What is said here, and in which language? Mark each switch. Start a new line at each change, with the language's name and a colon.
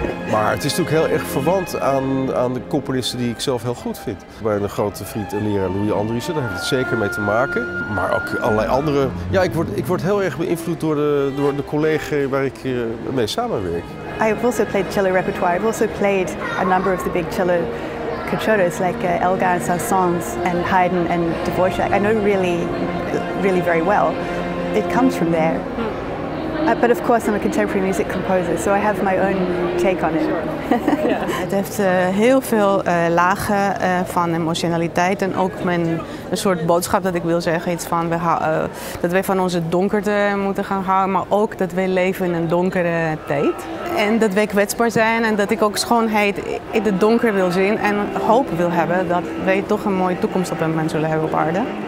Dutch: Maar het is natuurlijk heel erg verwant aan de componisten die ik zelf heel goed vind. Bij een grote vriend en leraar, Louis Andriessen, daar heeft het zeker mee te maken. Maar ook allerlei andere. Ja, ik word heel erg beïnvloed door de collega waar ik mee samenwerk.
English: I have also played cello repertoire. I've also played a number of the big cello concertos like Elgar and Saint-Saëns and Haydn and Dvorak. I know really, really very well. It comes from there. But of course I'm a contemporary music composer, so I have my own take on it. Sure.
Dutch: Yeah. Het heeft heel veel lagen van emotionaliteit en ook een soort boodschap dat ik wil zeggen. Iets van dat wij van onze donkerte moeten gaan houden, maar ook dat wij leven in een donkere tijd. En dat wij kwetsbaar zijn en dat ik ook schoonheid in het donker wil zien en hoop wil hebben dat wij toch een mooie toekomst op een moment zullen hebben op aarde.